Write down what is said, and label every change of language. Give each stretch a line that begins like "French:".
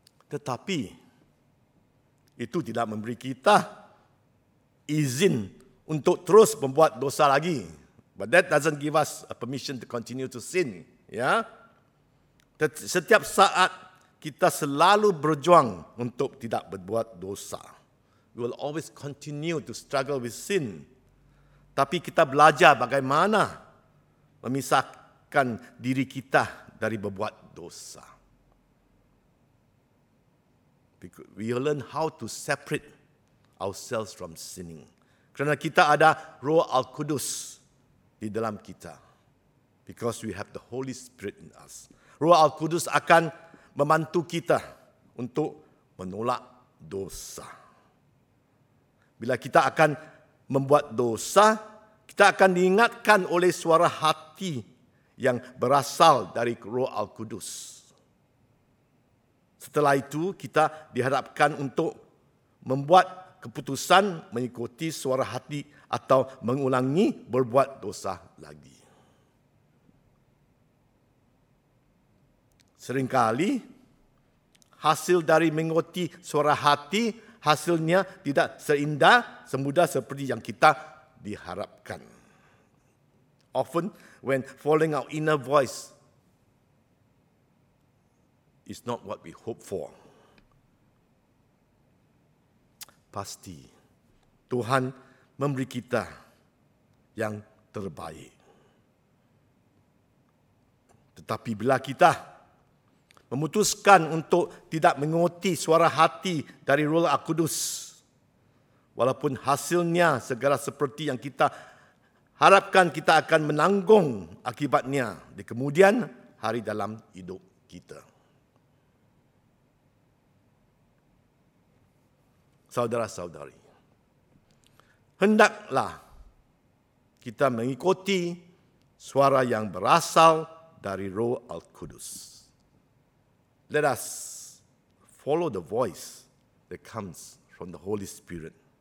Malay: Tetapi itu tidak memberi kita izin untuk terus membuat dosa lagi.
English: But that doesn't give us a permission to continue to sin. Yeah?
Malay: Setiap saat kita selalu berjuang untuk tidak berbuat dosa.
English: We will always continue to struggle with sin.
Malay: Tapi kita belajar bagaimana memisahkan diri kita dari berbuat dosa.
English: We learn how to separate ourselves from sinning.
Malay: Kerana kita ada Roh Al-Kudus di dalam kita.
English: Because we have the Holy Spirit in us.
Malay: Roh Al-Kudus akan membantu kita untuk menolak dosa. Bila kita akan membuat dosa, kita akan diingatkan oleh suara hati yang berasal dari Roh Al-Kudus. Setelah itu, kita dihadapkan untuk membuat keputusan mengikuti suara hati atau mengulangi berbuat dosa lagi. Seringkali, hasil dari mengikuti suara hati, hasilnya tidak seindah, semudah seperti yang kita diharapkan.
English: Often, when following our inner voice, it's not what we hope for.
Malay: Pasti, Tuhan memberi kita yang terbaik. Tetapi bila kita memutuskan untuk tidak mengikuti suara hati dari Roh Al-Kudus, walaupun hasilnya segera seperti yang kita harapkan, kita akan menanggung akibatnya di kemudian hari dalam hidup kita. Saudara-saudari, hendaklah kita mengikuti suara yang berasal dari Roh Al-Kudus.
English: Let us follow the voice that comes from the Holy Spirit.